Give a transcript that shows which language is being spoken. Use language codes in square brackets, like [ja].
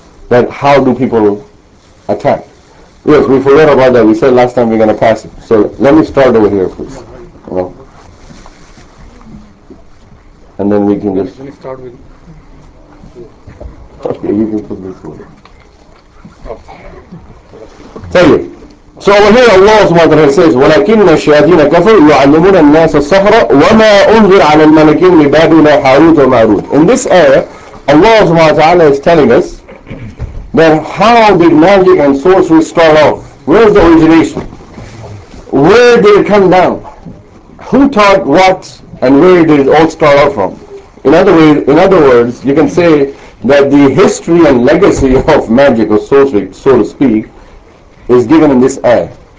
[en] That how do people attack? Yes, we forgot about that. We said last time we're going to pass it. So let me start over here, please. Well, and then we can just... Let me start with... Okay, you can put this one. Tell you. So over here Allah SWT says, [ar] وَلَكِنَّ الشَّيَاطِينَ كَفَرُوا يُعَلِّمُونَ النَّاسَ السَّحْرَ وَمَا أُنْزِلَ عَلَى الْمَلَكِينَ لِبَابِلَ حَارُوتَ وَمَارُوتَ. [en] In this ayah, Allah SWT is telling us that how did magic and sorcery start off? Where's the origination? Where did it come down? Who taught what and where did it all start off from? In other words, you can say that the history and legacy of magic or sorcery, so to speak, is given in this ayah.